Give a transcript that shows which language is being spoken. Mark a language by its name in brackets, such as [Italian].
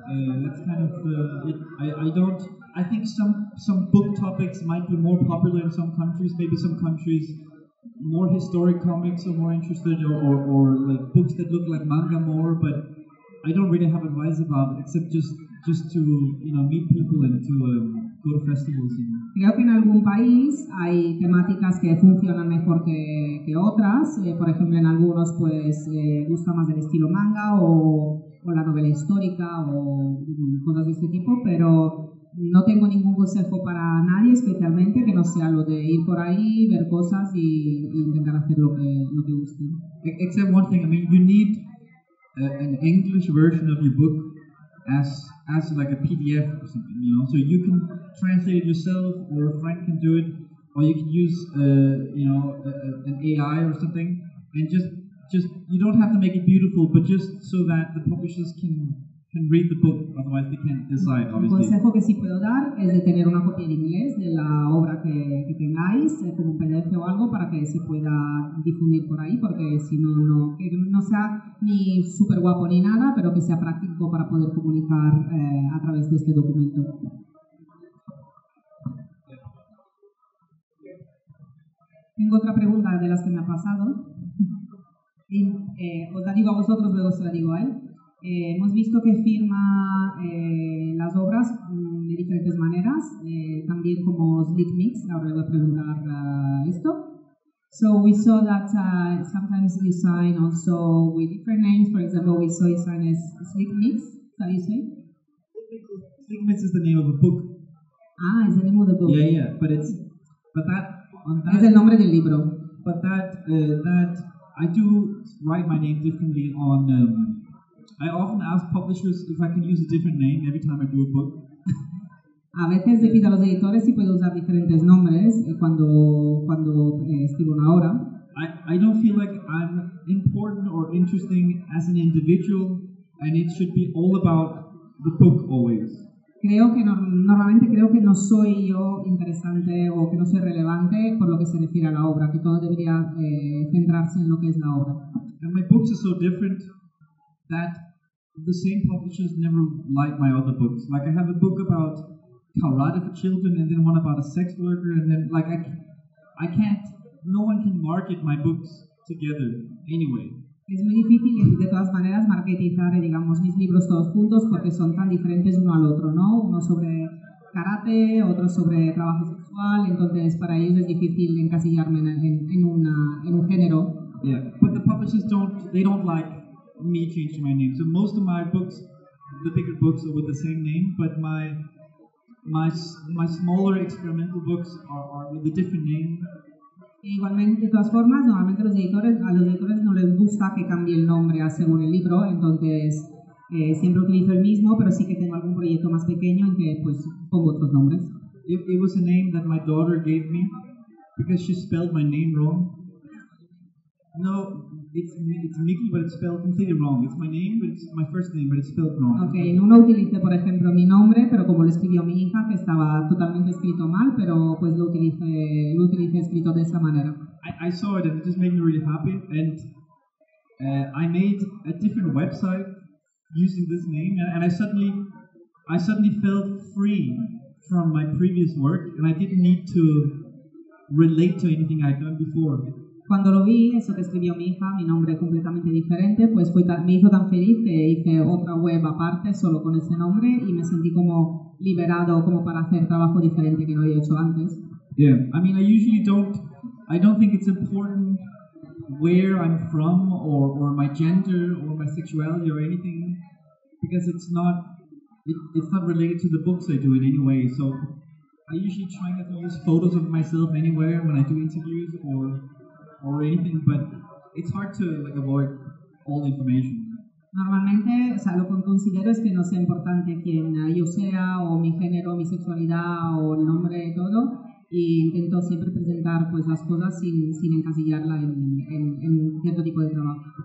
[English] I think some book topics might be more popular in some countries, maybe some countries more historic comics are more interested, or like books that look like manga more, but I don't really have advice about it, except just to, you know, meet people and to go to festivals. [Spanish] Creo que en algún país hay temáticas que funcionan mejor que otras. Por ejemplo, en algunos pues gusta más el estilo manga o la novela histórica o cosas de este tipo, pero no tengo ningún consejo para nadie, especialmente que no sea lo de ir por ahí, ver cosas y intentar hacer lo que guste. [English] Except one thing, I mean, you need an English version of your book as like a PDF or something, you know. So you can translate it yourself, or a friend can do it, or you can use an AI or something, and just you don't have to make it beautiful, but just so that the publishers can read the book, otherwise they can't decide, obviously. [Spanish] El consejo que sí puedo dar es de tener una copia en inglés de la obra que tengáis, como un PDF o algo, para que se pueda difundir por ahí, porque si no, no sea ni súper guapo ni nada, pero que sea práctico para poder comunicar a través de este documento. Tengo otra pregunta de las que me ha pasado. Os la digo a vosotros, luego se la digo a él. Hemos visto que firma las obras de diferentes maneras, también como slick mix. Ahora voy a preguntar esto. [English] So we saw that sometimes you sign also with different names. For example, we saw you sign as slick mix. How do you say? Slick mix is the name of a book. Ah, it's the name of the book. Yeah, yeah, but it's but that, on that [Spanish] es el nombre del libro. [English] But that that I do write my name differently on. I often ask publishers if I can use a different name every time I do a book. [Spanish] A veces le pido a los editores si puedo usar diferentes nombres cuando escribo una obra. [English] I don't feel like I'm important or interesting as an individual, and it should be all about the book always. [Spanish] Creo que normalmente creo que no soy yo interesante o que no soy relevante por lo que se refiere a la obra, que todo debería centrarse en lo que es la obra. [English] And my books are so different that the same publishers never like my other books. Like, I have a book about karate for children, and then one about a sex worker, and then, like, I can't, no one can market my books together anyway. [Spanish] Es muy difícil, de todas maneras, marketizar, digamos, mis libros todos juntos, porque son tan diferentes uno al otro, ¿no? Uno sobre karate, otro sobre trabajo sexual, entonces para ellos es difícil encasillarme en un género. [English] Yeah, but the publishers don't like me changing my name. So most of my books, the bigger books, are with the same name, but my smaller experimental books are with a different name. [Spanish] Igualmente, de todas formas, normalmente a los editores no les gusta que cambie el nombre según el libro, entonces siempre utilizo el mismo, pero sí que tengo algún proyecto más pequeño en que pues pongo otros nombres. [English] It was a name that my daughter gave me because she spelled my name wrong. No, it's Mickey, but it's spelled completely wrong. It's my name, but it's my first name, but it's spelled wrong. [Spanish] Okay, en uno utilicé, por ejemplo, mi nombre, pero como lo escribió mi hija, que estaba totalmente escrito mal, pero pues lo utilicé escrito de esa manera. [English] I saw it and it just made me really happy, and I made a different website using this name, and I suddenly felt free from my previous work, and I didn't need to relate to anything I'd done before. [Spanish] Cuando lo vi, eso que escribió mi hija, mi nombre completamente diferente, pues fue me hizo tan feliz que hice otra web aparte solo con ese nombre y me sentí como liberado como para hacer trabajo diferente que no había hecho antes. [English] Yeah, I mean, I don't think it's important where I'm from or my gender or my sexuality or anything, because it's not related to the books I do in any way. So I usually try not to use photos of myself anywhere when I do interviews or anything, but it's hard to like avoid all information. [Spanish] Normalmente, o sea, lo que considero es que no sea importante quién yo sea o mi género, mi sexualidad o el nombre de todo. Y intento siempre presentar pues las cosas sin encasillarla en cierto tipo de trabajo.